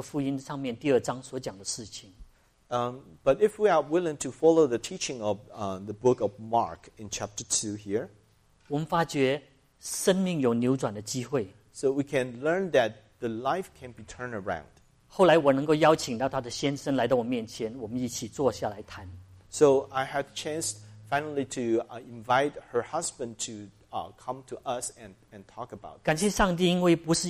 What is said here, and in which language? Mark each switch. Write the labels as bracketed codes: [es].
[zh] 不过呢，我发觉当我们愿意跟着主耶稣这个马可福音上面第二章所讲的事情。 [en] But if we are willing to follow the teaching of the book of Mark in chapter 2 here, [zh] 我们发觉生命有扭转的机会。 [en] So we can learn that the life can be turned around. [zh] 后来我能够邀请到她的先生来到我面前，我们一起坐下来谈。So [en] I had a chance finally to invite her husband to come to us and talk about.